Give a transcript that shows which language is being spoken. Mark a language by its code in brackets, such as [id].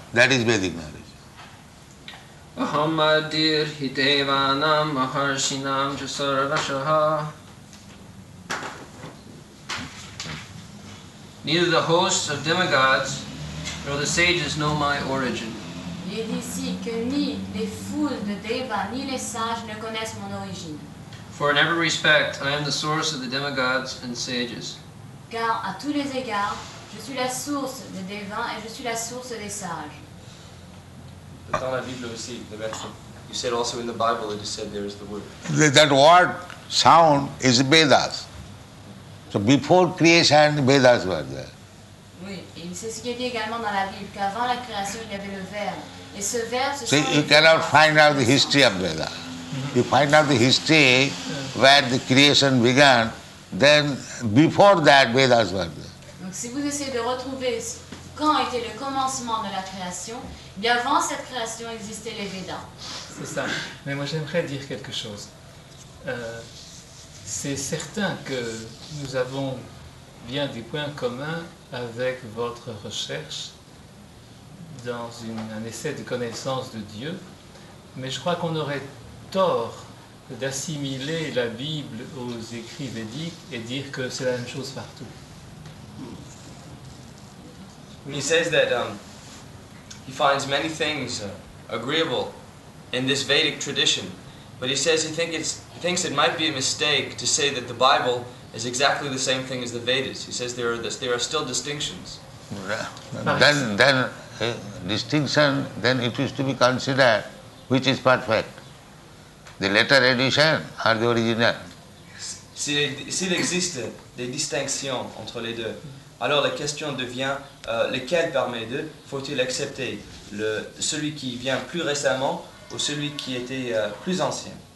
[en] That is Vedic knowledge. [sa] Aham adirhi devanam maharshinam jasaravashaha. [en] Neither the hosts of demigods nor the sages know my origin. [fr] Il est ici que ni les foules de Deva ni les sages ne connaissent mon origine. [en] For in every respect, I am the source of the demigods and sages. [fr] Car à tous les égards, je suis la source des devins et je suis la source des sages. Dans la Bible aussi, [en] the verse. You said also in the Bible, it is said there is the word. That word, sound, is Vedas. So before creation, the Vedas were there. [fr] C'est ce qui est dit également dans la Bible, qu'avant la création, il y avait le verbe. Et ce verbe, ce sont... [en] See, you cannot find out the history of Veda. You find out the history where the creation began, then before that, Vedas were there. [fr] Donc si vous essayez de retrouver quand était le commencement de la création, bien avant cette création existaient les Vedas. C'est ça. Mais moi j'aimerais dire quelque chose. C'est certain que nous avons bien des points communs avec votre recherche dans un essai de connaissance de Dieu, mais je crois qu'on aurait tort d'assimiler la Bible aux écrits védiques et dire que c'est la même chose partout. [en] He says that he finds many things agreeable in this Vedic tradition, but he says he thinks it might be a mistake to say that the Bible is exactly the same thing as the Vedas. He says there are still distinctions. Then it is to be considered which is perfect, the later edition or the original. [fr] S'il existe des distinctions entre les deux, alors la question devient lequel parmi les deux faut-il accepter, celui qui vient plus récemment ou celui qui était plus ancien?